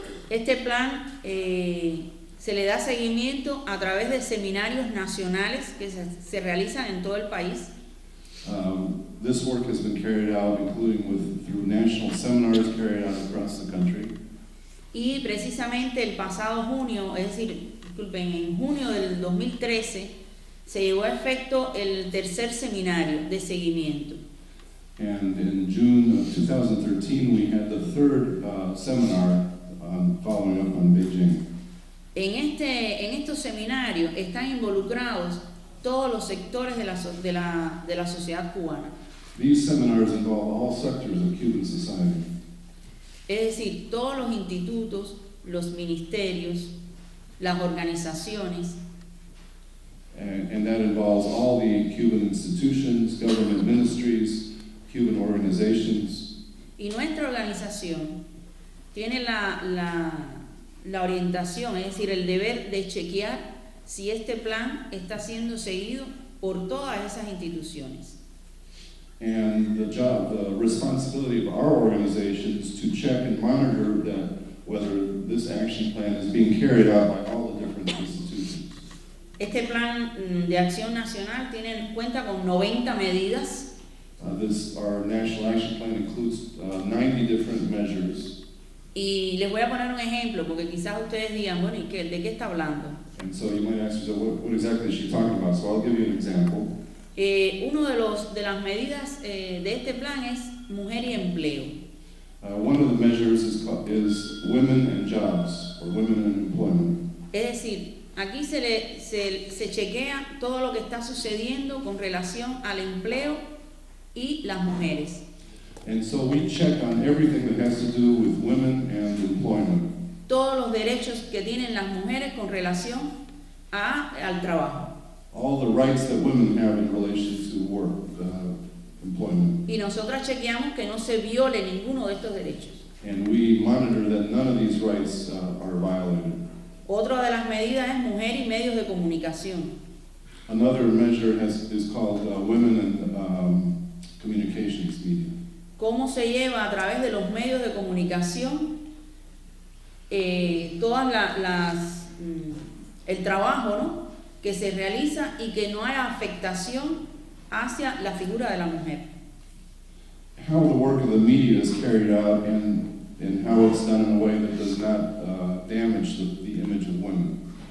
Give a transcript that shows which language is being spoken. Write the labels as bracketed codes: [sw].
[es] Este plan se le da seguimiento a través de seminarios nacionales que se realizan en todo el país. [en] This work has been carried out, including with through national seminars carried out across the country. [es] Y precisamente el pasado junio, es decir, disculpen, en junio del 2013, se llevó a efecto el tercer seminario de seguimiento. [en] And in June of 2013, we had the third seminar following up on Beijing. [es] En estos seminarios están involucrados todos los sectores de la sociedad cubana. [en] These seminars involve all sectors of Cuban society. [es] Es decir, todos los institutos, los ministerios, las organizaciones. [en] And that involves all the Cuban institutions, government ministries, Cuban organizations. [es] Y nuestra organización tiene la orientación, es decir, el deber de chequear si este plan está siendo seguido por todas esas instituciones. [en] And the job, the responsibility of our organization is to check and monitor that whether this action plan is being carried out by all the different institutions. [es] Este plan de acción nacional tiene en cuenta con 90 medidas. [en] Our national action plan includes 90 different measures. [es] Y les voy a poner un ejemplo, porque quizás ustedes digan, bueno, ¿y qué, de qué está hablando? [en] And so you might ask yourself, what exactly is she talking about? So I'll give you an example. [es] Uno de las medidas de este plan es mujer y empleo. [en] One of the measures is women and jobs, or women and employment. [es] Es decir, aquí se chequea todo lo que está sucediendo con relación al empleo y las mujeres. [en] And so we check on everything that has to do with women and employment. [es] Todos los derechos que tienen las mujeres con relación a, al trabajo. [en] All the rights that women have in relation to work, employment. [es] Y nosotras chequeamos que no se viole ninguno de estos derechos. [en] And we monitor that none of these rights are violated. [es] Otra de las medidas es mujer y medios de comunicación. [en] Another measure is called women and communications media. [es] ¿Cómo se lleva a través de los medios de comunicación todas el trabajo, ¿no?, que se realiza y que no haya afectación hacia la figura de la mujer? [en] How the work of the media is carried out and how it's done in a way that does not damage the image of women.